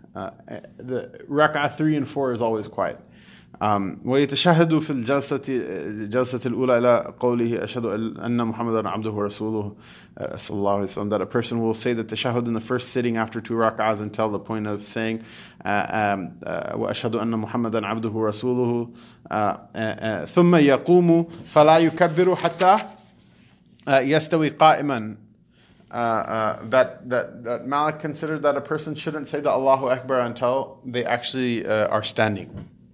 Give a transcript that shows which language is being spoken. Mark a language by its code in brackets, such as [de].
[en] The rak'ah 3 and 4 is always quiet. [ar] وَيَتَشَهَدُ فِي الْجَلْسَةِ الْأُولَى إِلَى قَوْلِهِ أَشْهَدُ أَنَّ مُحَمَدًا عَبْدُهُ وَرَسُولُهُ صلى الله عليه وسلم, [en] that a person will say the tashahud in the first sitting after two rak'ahs until the point of saying [ar] وَأَشْهَدُ أَنَّ مُحَمَدًا عَبْدُهُ وَرَسُولُهُ ثُمَّ يَقُومُ فَلَا يُكَبِّرُ حَتَّى يَسْتَوِي قَائِمًا. [en] That Malik considered that a person shouldn't say the Allahu Akbar until they actually are standing.